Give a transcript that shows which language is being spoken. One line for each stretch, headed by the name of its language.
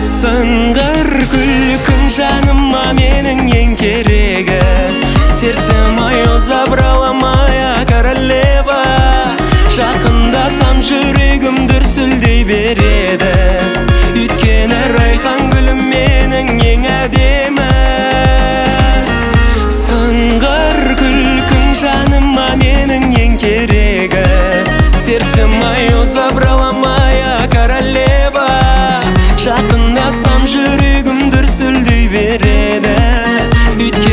Kazakh: Сыңғыр күлкің жаныма менің ең керегі.
Russian: Сердце мое забрала моя королева.
Kazakh: Жақындасам жүрегім дүрсілдей береді. Өйткені райхан гүлім менің ең әдемі. Сыңғыр күлкің жаныма менің ең керегі.
Russian: Сердце мое забрала моя королева.
Kazakh: Жақындасам жүрегім дүрсілдей береді.